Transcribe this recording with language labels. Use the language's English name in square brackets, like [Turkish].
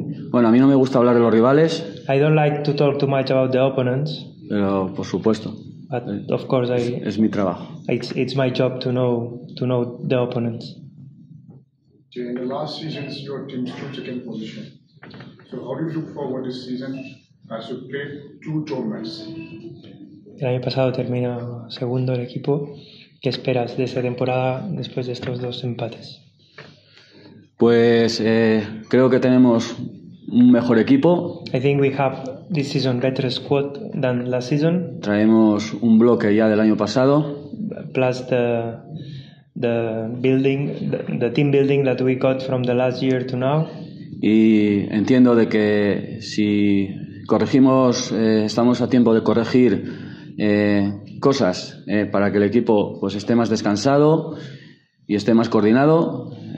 [Spanish] Bueno, a mí no me gusta hablar de los rivales. [English] I don't like to talk too much about the opponents. [Spanish] Pero, por supuesto. [English] But of course, [Spanish] es mi trabajo. [English] It's my job to know the opponents. In the last season, your team took second position. So how do you look forward this season as you play two tournaments? [Spanish] El año pasado terminó segundo el equipo. ¿Qué esperas de esta temporada después de estos dos empates? Pues creo que tenemos un mejor equipo. [English] I think we have this season better squad than last season. [Spanish] Traemos un bloque ya del año pasado. [English] Plus the team building that we got from the last year to now. [Spanish] Y entiendo de que si corregimos, estamos a tiempo de corregir cosas para que el equipo pues esté más descansado y esté más coordinado.